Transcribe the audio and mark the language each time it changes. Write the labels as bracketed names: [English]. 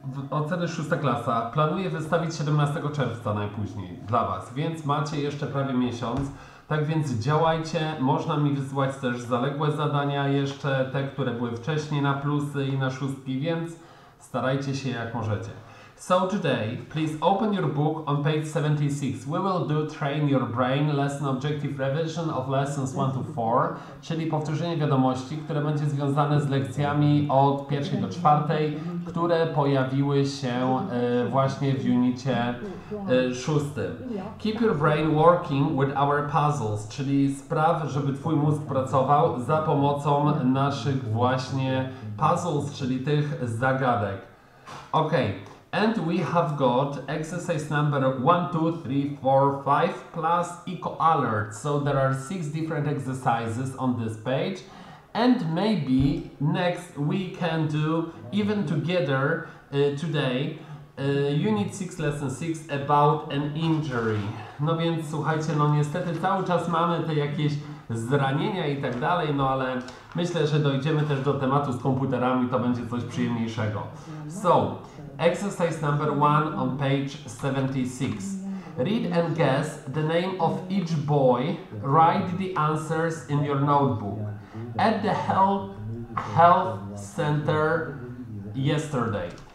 [Polish] Oceny szósta klasa. Planuję wystawić 17 czerwca najpóźniej dla was, więc macie jeszcze prawie miesiąc. Tak więc działajcie, można mi wysłać też zaległe zadania jeszcze, te, które były wcześniej na plusy i na szóstki, więc starajcie się jak możecie. [English] So today, please open your book on page 76. We will do train your brain, lesson objective revision of lessons 1 to 4, [Polish] czyli powtórzenie wiadomości, które będzie związane z lekcjami od 1 do 4, które pojawiły się właśnie w unicie 6. [English] Keep your brain working with our puzzles, [Polish] czyli spraw, żeby twój mózg pracował za pomocą naszych właśnie puzzles, czyli tych zagadek. [English] Ok. And we have got exercise number 1, 2, 3, 4, 5 plus eco alert. So there are 6 different exercises on this page. And maybe next we can do even together today unit 6, lesson 6 about an injury. [Polish] No więc słuchajcie, no niestety cały czas mamy te jakieś zranienia i tak dalej, no ale myślę, że dojdziemy też do tematu z komputerami, to będzie coś przyjemniejszego. [English] So, exercise number 1 on page 76. Read and guess the name of each boy. Write the answers in your notebook. At the health center yesterday.